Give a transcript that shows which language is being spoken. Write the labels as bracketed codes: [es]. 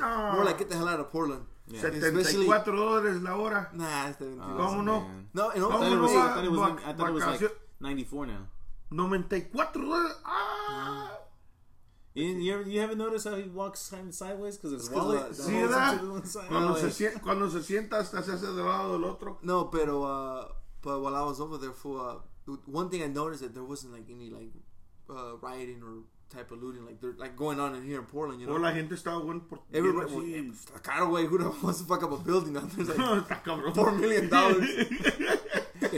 [en] More like get the hell out of Portland. Yeah. $74 [es] la hora. [en] Nah, it's 70. [es] ¿Cómo no? [en] No, I thought it was like 94 now. $94. You haven't noticed how he walks kind of sideways because his wallet. See that? [es] Cuando se sienta, está hacia el lado del otro. [en] No, but while I was over there for. One thing I noticed that there wasn't any rioting or type of looting like going on in here in Portland, you know. [es] La gente estaba [en] everybody was kind of way who wants to fuck up a building out there? Like $4 million. They